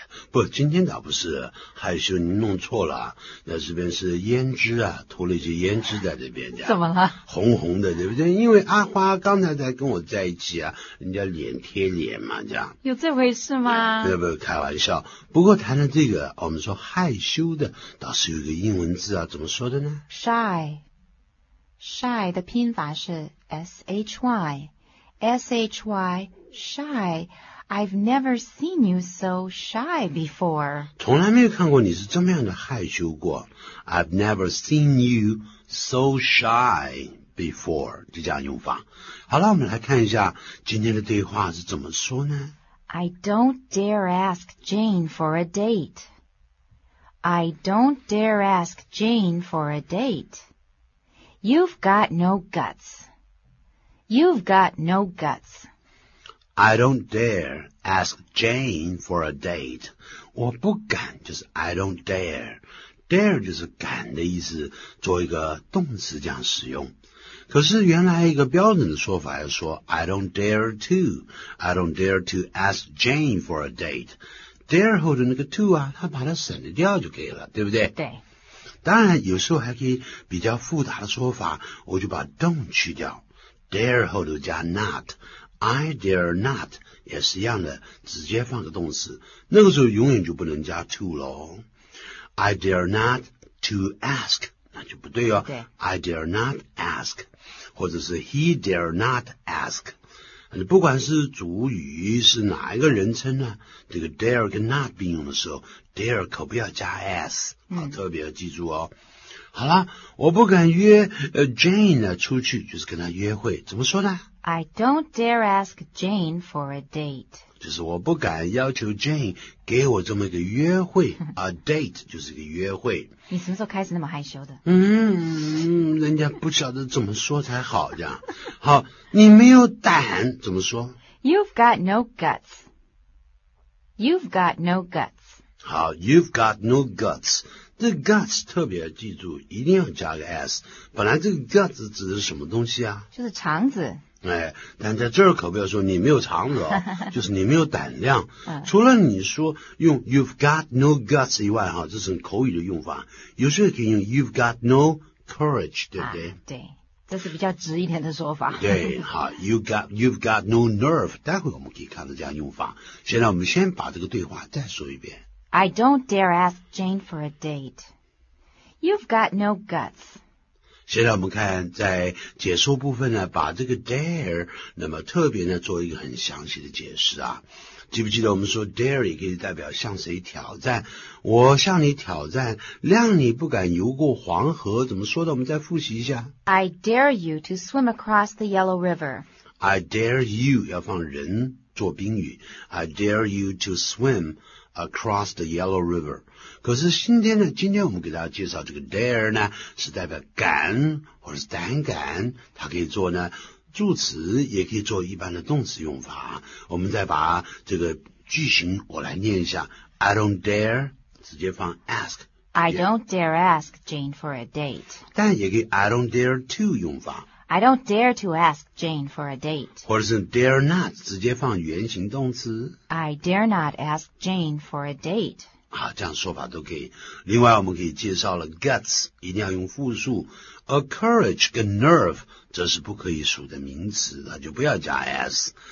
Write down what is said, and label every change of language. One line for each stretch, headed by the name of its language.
Chinese: 不，今天倒不是害羞，您弄错了。那这边是胭脂啊，涂了一些胭脂在这边的。怎么了？红红的，对不对？因为阿花刚才在跟我在一起啊，人家脸贴脸嘛，这样。有这回事吗？对不对？开玩笑。不过谈到这个，我们说害羞的，倒是有一个英文字啊，怎么说的呢
English: ？Shy。 Shy
Chinese: 的拼法是
English: shy。 shy。 Shy。 I've never seen you so shy before.
Chinese: 从来没有看过你是这么样的害羞过。
English: I've never seen you so shy before.
Chinese: 这样用法。好了，我们来看一下今天的对话是怎么说呢？
English: I don't dare ask Jane for a date. I don't dare ask Jane for a date. You've got no guts. You've got no guts. I don't dare ask Jane for a date.
Chinese: 我不敢就是
English: I don't dare.
Chinese: Dare 就是敢的意思，做一个动词这样使用。可是原来一个标准的说法要说
English: I don't dare to. I don't dare to ask Jane for a date.
Chinese: Dare 后的那个 to 啊，它把它省得掉就可以了，对不对？对。当然有时候还可以比较复杂的说法，我就把 don't 去掉。 Dare 后的加 not.
English: I dare not
Chinese: 也是一样的，直接放个动词，那个时候永远就不能加 to 咯。
English: I dare not to ask
Chinese: 那就不对哦。对，
English: I dare not ask
Chinese: 或者是
English: he dare not ask，
Chinese: 不管是主语是哪一个人称呢，这个 dare 跟 not 并用的时候 dare 可不要加 s、特别要记住哦。好啦，我不敢约、Jane 呢出去，就是跟他约会，怎么说呢？
English: I don't dare ask Jane for a date.
Chinese: 就是我不敢要求 Jane 给我这么一个约会。
English: A date
Chinese: 就是一个约会。你什么时候开始那么害羞的？人家不晓得怎么说才好这样。好，你没有胆怎么说？
English: You've got no guts. You've got no guts. 好， You've got no guts.
Chinese: 这个 guts 特别记住，一定要加个 s。本来这个 guts 指的是什么东西啊？就是肠子。但在这儿可不要说你没有肠子哦，就是你没有胆量。除了你说用
English: you've got no guts
Chinese: 以外，哈，这是口语的用法。有时候可以用
English: you've got no courage，
Chinese: 对不对？对，这是比较直一点的说法。
English: 对，好 ，you've got no nerve。
Chinese: 待会我们可以看到这样用法。现在我们先把这个对话再说一遍。
English: I don't dare ask Jane for a date. You've got no guts.
Chinese: 现在我们看在解说部分呢，把这个 dare 那么特别呢做一个很详细的解释啊。记不记得我们说 dare 也可以代表向谁挑战？我向你挑战，谅你不敢游过黄河，怎么说的？我们再复习一下。
English: I dare you to swim across the Yellow River. I dare you
Chinese: 要放人做宾语。
English: I dare you to swim. Across the Yellow River.
Chinese: 可是今天呢，今天我们给大家介绍这个 dare 呢，是代表敢或者是胆敢，它可以做呢助词，也可以做一般的动词用法。我们再把这个句型我来念一下。
English: I don't dare
Chinese: 直接放
English: ask。 I don't dare ask Jane for a date.
Chinese: 但也可以
English: I don't dare to
Chinese: 用法。
English: I don't dare to ask Jane for a date.
Chinese: 或者是 dare not, 直接放原形动词。
English: I dare not ask Jane for a date.
Chinese: 好，这样说法都可以。另外我们可以介绍了 guts, 一定要用复数。 A courage 跟 nerve, 这是不可以数的名词，那就不要加 s。